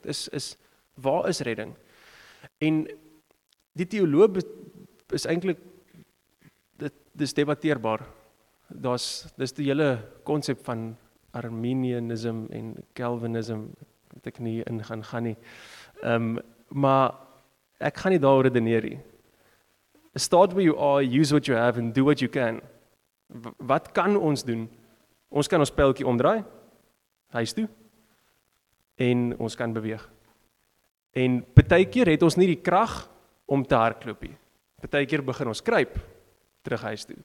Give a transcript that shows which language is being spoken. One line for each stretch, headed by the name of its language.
Afrikaans: Is waar is redding? En die teoloog is eintlik dis debatteerbaar. Dis die hele konsep van Arminianism en Calvinism, wat ek nie in gaan gaan nie. Maar ek gaan nie daar redeneer nie.
English: Start where you are, use what you have, and do what you can.
Afrikaans: Wat kan ons doen? Ons kan ons pijltjie omdraai, huis toe, en ons kan beweeg. En partykeer het ons nie die krag om te hardloopie. Partykeer begin ons kruip, terug huis toe.